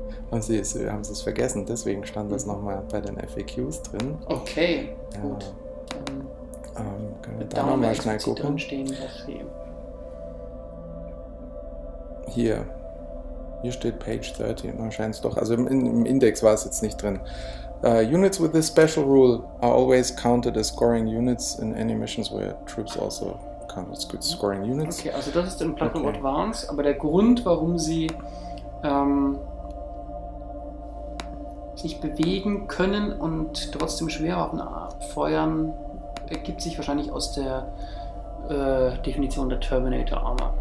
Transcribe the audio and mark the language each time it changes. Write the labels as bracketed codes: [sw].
[de] Und sie haben es vergessen, deswegen stand das nochmal bei den FAQs drin. Okay, gut. Können wir da nochmal schnell gucken? Hier steht Page 13, anscheinend doch. Also im Index war es jetzt nicht drin. [en] Units with this special rule are always counted as scoring units in any missions where troops also count as good scoring units. [de] Okay, also das ist in Platinum Advance, aber der Grund, warum sie sich bewegen können und trotzdem Schwerwaffen feuern, ergibt sich wahrscheinlich aus der Definition der Terminator Armor.